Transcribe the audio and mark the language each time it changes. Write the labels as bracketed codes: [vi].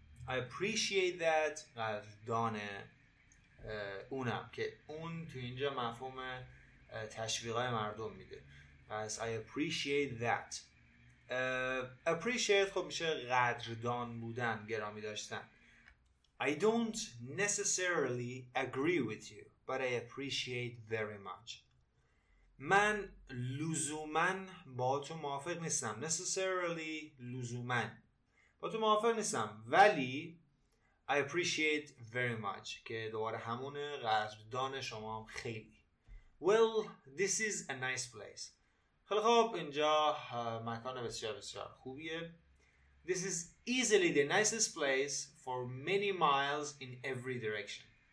[en] I appreciate that. [fa] قدردان اونم، که اون تو اینجا مفهوم تشویقای مردم میده. [en] پس I appreciate that. [fa] Appreciate خب میشه قدردان بودن، گرامی داشتن. [en] I don't necessarily agree with you, but I appreciate very much. [fa] من لزوماً با تو موافق نیستم. Necessarily لزوماً با تو موافق نیستم، ولی [en] I appreciate very much [fa] که دوباره همونه، قدردان شما خیلی. [en] Well, this is a nice place. [fa] خیلی خوب، اینجا مکان بسیار بسیار خوبیه. [en] This is easily the nicest place for many miles in every direction.